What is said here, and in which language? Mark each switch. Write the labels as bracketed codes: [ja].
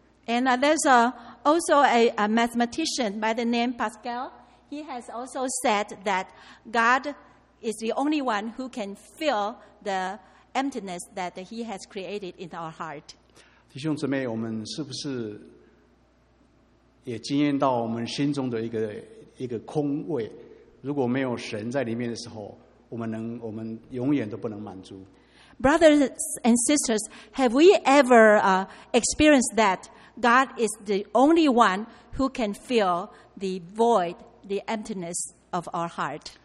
[en] And there's also a mathematician by the name Pascal. He has also said that God is the only one who can fill the emptiness that He has created in our heart. [zh] 弟兄姊妹，我们是不是也经验到我们心中的一个空位？如果没有神在里面的时候，我们永远都不能满足。 [en] Brothers and sisters, have we ever experienced that God is the only one who can fill the void, the emptiness of our heart?